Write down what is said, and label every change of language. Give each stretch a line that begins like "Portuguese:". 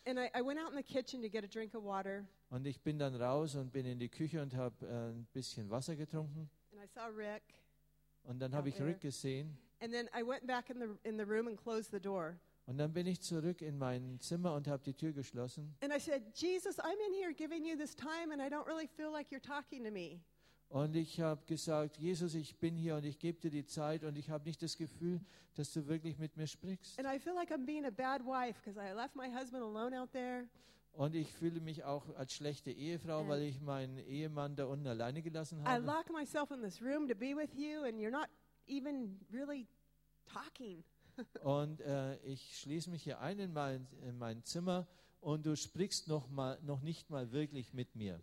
English: And I went out in the kitchen to get a drink of water.
German: Und ich bin dann raus und bin in die Küche und habe ein bisschen Wasser getrunken.
English: And I saw Rick.
German: Und dann habe ich Rick gesehen.
English: And then I went back in the room and closed the door.
German: Und dann bin ich zurück in mein Zimmer und habe die Tür geschlossen.
English: And I said, Jesus, I'm in here giving you this time and I don't really feel like you're talking to me.
German: Und ich habe gesagt, Jesus, ich bin hier und ich gebe dir die Zeit und ich habe nicht das Gefühl, dass du wirklich mit mir sprichst.
English: And I feel like I'm being a bad wife because I left my husband alone out there.
German: Und ich fühle mich auch als schlechte Ehefrau, and weil ich meinen Ehemann da unten alleine gelassen habe.
English: I lock myself in this room to be with you and you're not even really talking.
German: Und ich schließe mich hier ein in mein Zimmer und du sprichst noch nicht mal wirklich mit mir.